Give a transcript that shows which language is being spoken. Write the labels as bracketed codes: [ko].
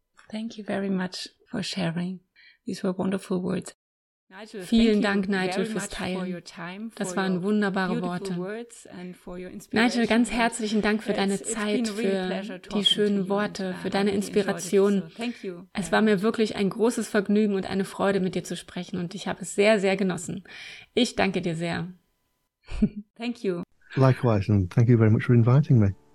[en] Thank you very much for sharing. These were wonderful words. [de] Nigel, vielen Dank, Nigel, fürs Teilen. Das waren wunderbare Worte. Nigel, ganz herzlichen Dank für deine Zeit, für die schönen Worte, für deine Inspiration. Es war mir wirklich ein großes Vergnügen und eine Freude, mit dir zu sprechen, und ich habe es sehr, sehr genossen. Ich danke dir sehr. [en] Thank you. Likewise, and thank you very much for inviting me.